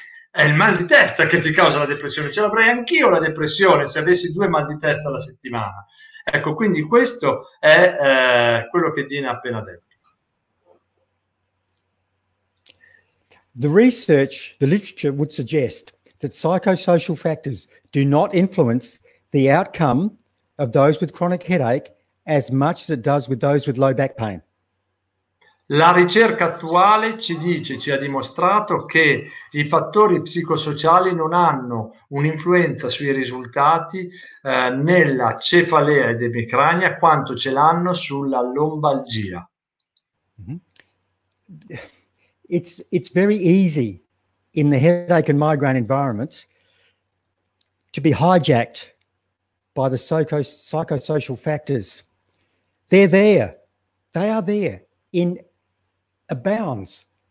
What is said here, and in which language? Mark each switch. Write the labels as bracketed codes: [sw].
[it] È il mal di testa che ti causa la depressione. Ce l'avrei anch'io la depressione se avessi due mal di testa alla settimana. Ecco, quindi questo è quello che Dina ha appena detto. [en] The research, the literature would suggest that psychosocial factors do not influence the outcome of those with chronic headache as much as it does with those with low back pain. [it] La ricerca attuale ci dice, ci ha dimostrato che i fattori psicosociali non hanno un'influenza sui risultati nella cefalea ed emicrania quanto ce l'hanno sulla lombalgia. [en] It's very easy in the headache and migraine environment to be hijacked by the psychosocial factors. They're there. They are there in abounds.